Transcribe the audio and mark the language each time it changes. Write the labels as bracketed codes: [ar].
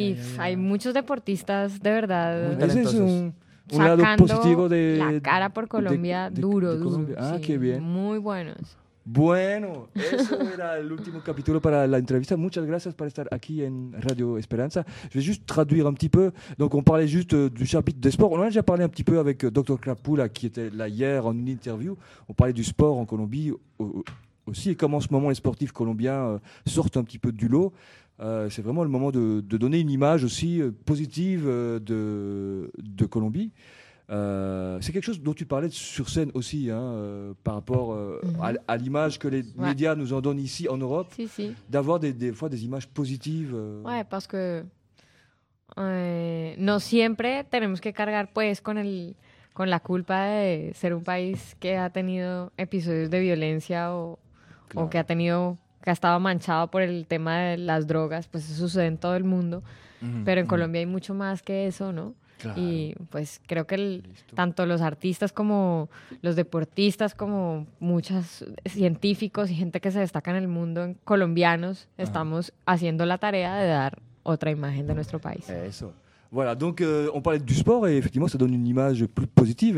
[es] y hay muchos deportistas, de verdad. Ese es un lado positivo de... la cara por Colombia, duro. Colombia. Ah, sí, qué bien. Muy buenos. Bueno, eso era el último capítulo para la entrevista. Muchas gracias por estar aquí en Radio Esperanza. [fr] Je vais juste traduire un petit peu. Donc, on parlait juste du chapitre des sports. On a déjà parlé un petit peu avec Dr. Krapula, qui était là hier en une interview. On parlait du sport en Colombie aussi et comment en ce moment les sportifs colombiens sortent un petit peu du lot. C'est vraiment le moment de donner une image aussi positive de Colombie. C'est quelque chose dont tu parlais sur scène aussi, hein, par rapport à l'image que les médias nous en donnent ici en Europe, si. D'avoir des fois des images positives. Ouais, parce que [es] no siempre tenemos que cargar pues con la culpa de ser un país que ha tenido episodios de violencia o que ha tenido que ha estado manchado por el tema de las drogas, pues eso sucede en todo el mundo, pero en Colombia hay mucho más que eso, ¿no? Claro. Y pues creo que tanto los artistas como los deportistas, como muchos científicos y gente que se destaca en el mundo, colombianos, estamos haciendo la tarea de dar otra imagen de nuestro país. Eso. [fr] Voilà, donc on parlait du sport et effectivement ça donne une image plus positive.